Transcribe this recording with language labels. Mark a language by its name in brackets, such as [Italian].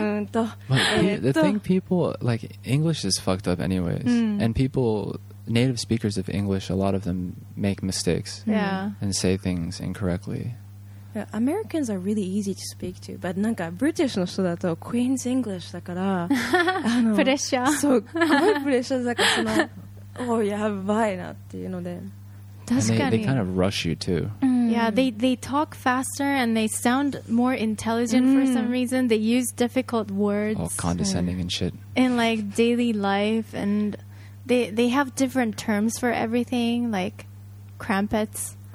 [English] と the thing people like English is fucked up anyways、うん、and people native speakers of English a lot of them make mistakes、 yeah. and say things incorrectly、 yeah, Americans are really easy to speak to but [Japanese] なんか British の人だと Queen's English だからあのプレッシャーそうすごいプレッシャーだからそのおやばいなっていうので確かに [English] they kind of rush you too、 mm. Yeah, they talk faster and they sound more intelligent、mm. for some reason. They use difficult words all condescending、mm. and shit in like daily life and they have different terms for everything like crumpets